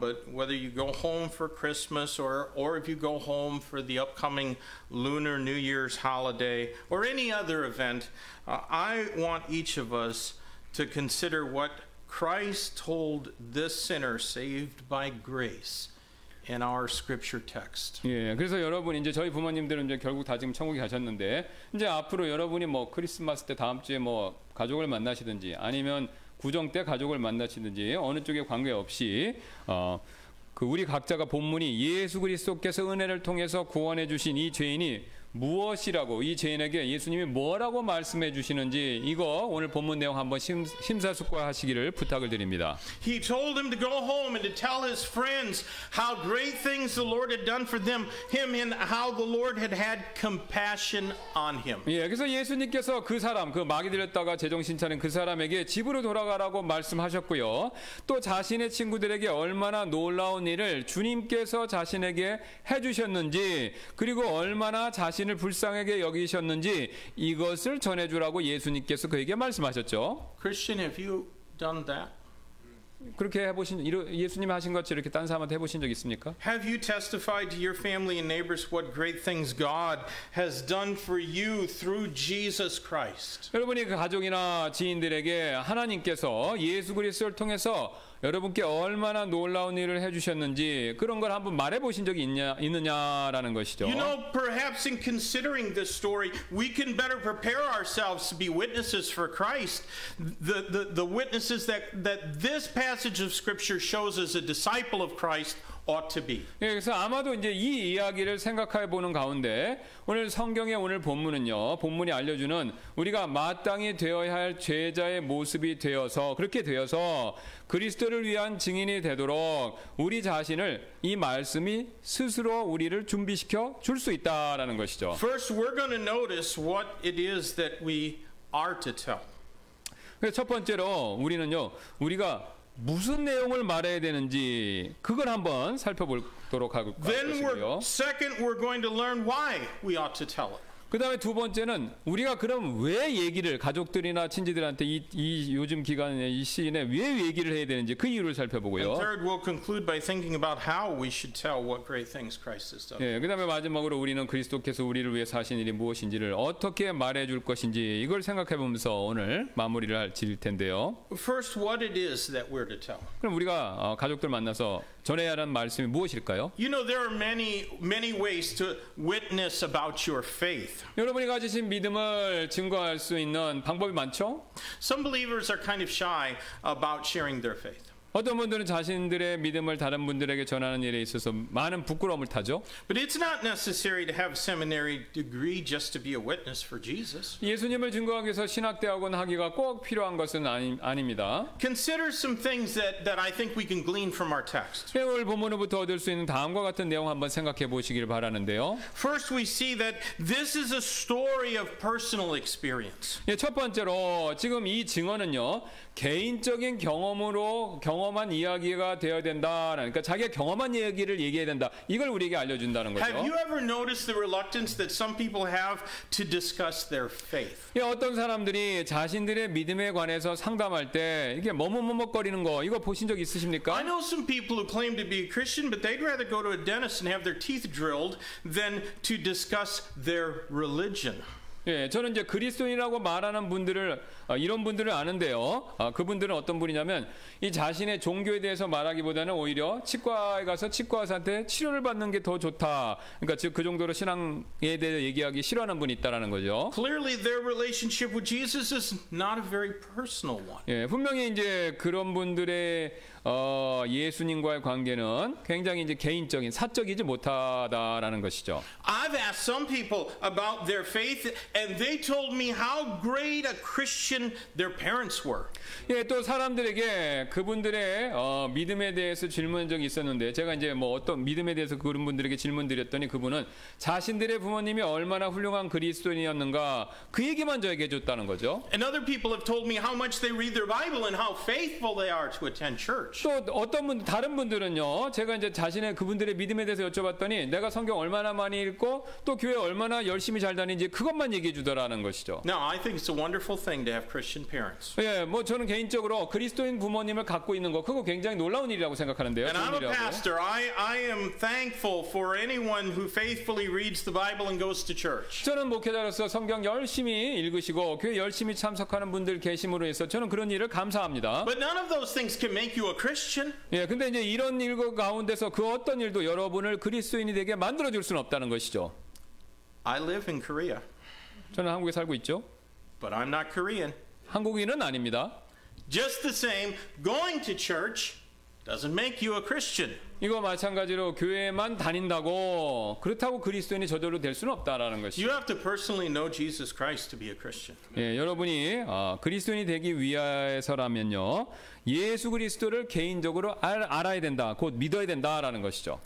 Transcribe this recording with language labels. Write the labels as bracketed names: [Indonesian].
[English] But whether you go home for Christmas or if you go home for the upcoming Lunar New Year's holiday or any other event, I want each of us. To consider what Christ told this sinner saved by grace in our scripture text. [Korean] 예, 그래서 여러분 이제 저희 부모님들은 이제 결국 다 지금 천국에 가셨는데 이제 앞으로 여러분이 뭐 크리스마스 때 다음 주에 뭐 가족을 만나시든지 아니면 구정 때 가족을 만나시든지 어느 쪽에 관계없이 그 우리 각자가 본문이 예수 그리스도께서 은혜를 통해서 구원해 주신 이 죄인이 무엇이라고 이 죄인에게 예수님이 뭐라고 말씀해 주시는지 이거 오늘 본문 내용 한번 심사숙고하시기를 부탁을 드립니다. [English] He told him to go home and to tell his friends how great things the Lord had done for him and how the Lord had compassion on him. [Korean] 예, 그래서 예수님께서 그 사람 그 마귀 들렸다가 제정신 차린 그 사람에게 집으로 돌아가라고 말씀하셨고요. 또 자신의 친구들에게 얼마나 놀라운 일을 주님께서 자신에게 해 주셨는지 그리고 얼마나 자신을 불쌍하게 여기셨는지 이것을 전해주라고 예수님께서 그에게 말씀하셨죠. [English] Christian, have you done that? [Korean] 그렇게 해보신 예수님 하신 것처럼 이렇게 다른 사람한테 해보신 적 있습니까? [English] Have you testified to your family and neighbors what great things God has done for you through Jesus Christ? [Korean] 여러분이 가족이나 지인들에게 하나님께서 예수 그리스도를 통해서 여러분께 얼마나 놀라운 일을 해주셨는지 그런 걸 한번 말해보신 적이 있느냐라는 것이죠. [English] You know, perhaps in considering this story, we can better prepare ourselves to be witnesses for Christ. The witnesses that this passage of Scripture shows as a disciple of Christ ought to be. [Korean] 예, 그래서 아마도 이제 이 이야기를 생각해 보는 가운데 오늘 성경의 오늘 본문은요, 본문이 알려주는 우리가 마땅히 되어야 할 죄자의 모습이 되어서 그렇게 되어서. 그리스도를 위한 증인이 되도록 우리 자신을 이 말씀이 스스로 우리를 준비시켜 줄 수 있다라는 것이죠. [English] First, we're going to notice what it is that we are to tell. [Korean] 첫 번째로 우리는요, 우리가 무슨 내용을 말해야 되는지 그걸 한번 살펴보도록 할 것이고요. [English] Then, second, we're going to learn why we ought to tell it. [Korean] 그 다음에 두 번째는 우리가 그럼 왜 얘기를 가족들이나 친지들한테 이 요즘 기간에 이 시즌에 왜 얘기를 해야 되는지 그 이유를 살펴보고요. [English] And third, we'll conclude by thinking about how we should tell what great things Christ has done. [Korean] 예, 그 다음에 마지막으로 우리는 그리스도께서 우리를 위해서 하신 일이 무엇인지를 어떻게 말해줄 것인지 이걸 생각해보면서 오늘 마무리를 지을 텐데요. [English] First, what it is that we're to tell. [Korean] 그럼 우리가 가족들 만나서 전해야 하는 말씀이 무엇일까요? [English] You know, there are many ways to witness about your faith. [Korean] 여러분이 가지신 믿음을 증거할 수 있는 방법이 많죠? [English] Some believers are kind of shy about sharing their faith. [Korean] 어떤 분들은 자신들의 믿음을 다른 분들에게 전하는 일에 있어서 많은 부끄러움을 타죠. [English] But it's not necessary to have a seminary degree just to be a witness for Jesus. [Korean] 예수님을 증거하기 위해서 신학대학원 하기가 꼭 필요한 것은 아닙니다. [English] Consider some things that I think we can glean from our text. [Korean] 오늘 본문으로부터 얻을 수 있는 다음과 같은 내용 한번 생각해 보시기를 바라는데요. [English] First, we see that this is a story of personal experience. [Korean] 예, 첫 번째로 지금 이 증언은요. 개인적인 경험으로 경험한 이야기가 되어야 된다. 그러니까 자기가 경험한 이야기를 얘기해야 된다. 이걸 우리에게 알려준다는 거죠. [English] Have you ever noticed the reluctance that some people have to discuss their faith? [Korean] 예, 어떤 사람들이 자신들의 믿음에 관해서 상담할 때 이게 머뭇머뭇거리는 거 이거 보신 적 있으십니까? [English] I know some people who claim to be a Christian, but they'd rather go to a dentist and have their teeth drilled than to discuss their religion. [Korean] 예, 저는 이제 그리스도인이라고 말하는 분들을 이런 분들을 아는데요. 그분들은 어떤 분이냐면 이 자신의 종교에 대해서 말하기보다는 오히려 치과에 가서 치과 의사한테 치료를 받는 게 더 좋다. 그러니까 즉 그 정도로 신앙에 대해 얘기하기 싫어하는 분이 있다라는 거죠. [English] Clearly their relationship with Jesus is not a very personal one. [Korean] 예, 분명히 이제 그런 분들의 예수님과의 관계는 굉장히 이제 개인적인 사적이지 못하다라는 것이죠. [English] I've asked some people about their faith and they told me how great a Christian their parents were. [Korean] 예, 또 사람들에게 그분들의 믿음에 대해서 질문한 적이 있었는데 제가 이제 뭐 어떤 믿음에 대해서 그런 분들에게 질문 드렸더니 그분은 자신들의 부모님이 얼마나 훌륭한 그리스도인이었는가 그 얘기만 저에게 해줬다는 거죠. [English] And other people have told me how much they read their Bible and how faithful they are to attend church. [Korean] 또 어떤 분 다른 분들은요 제가 이제 자신의 그분들의 믿음에 대해서 여쭤봤더니 내가 성경 얼마나 많이 읽고 또 교회 얼마나 열심히 잘 다니는지 그것만 얘기해 주더라는 것이죠. [English] Now I think it's a wonderful thing to have Christian parents. [Korean] 예, 뭐 저는 개인적으로 그리스도인 부모님을 갖고 있는 거 그거 굉장히 놀라운 일이라고 생각하는데요. [English] And I'm a pastor. I am thankful for anyone who faithfully reads the Bible and goes to church. [Korean] 저는 목회자로서 성경 열심히 읽으시고 교회 열심히 참석하는 분들 계심으로 해서 저는 그런 일을 감사합니다. [English] But none of those things can make you a Christian. [Korean] 예, 근데 이제 이런 일 가운데서 그 어떤 일도 여러분을 그리스도인이 되게 만들어 줄 수는 없다는 것이죠. [English] I live in Korea. [Korean] 저는 한국에 살고 있죠. [English] But I'm not Korean. [Korean] 한국인은 아닙니다. [English] Just the same, going to church doesn't make you a Christian. [Korean] 이거 마찬가지로 교회만 다닌다고 그렇다고 그리스도인이 저절로 될 수는 없다라는 것이죠. [English] You have to personally know Jesus Christ to be a Christian. [Korean] 예, 여러분이 그리스도인이 되기 위해서라면요. 예수 그리스도를 개인적으로 알아야 된다. 곧 믿어야 된다라는 것이죠.